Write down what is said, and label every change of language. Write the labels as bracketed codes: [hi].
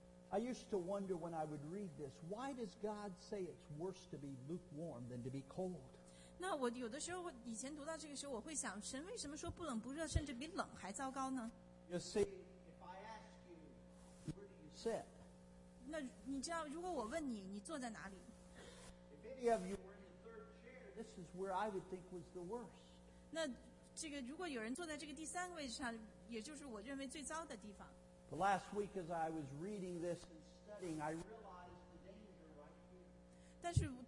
[en] I used to wonder when I would read this, why does God say it's worse to be lukewarm than to be cold? [zh] 那我有的时候以前读到这个时候我会想, 神为什么说不冷不热, 甚至比冷还糟糕呢? [en] You see, if I ask you, where do you sit? [zh] 那你知道, 如果我问你, 你坐在哪里? [en] If any of you were in the third chair, this is where I would think was the worst. [zh] 那这个如果有人坐在这个第三个位置上，也就是我认为最糟的地方。 [en] The last week as I was reading this and studying, I realized the danger right here.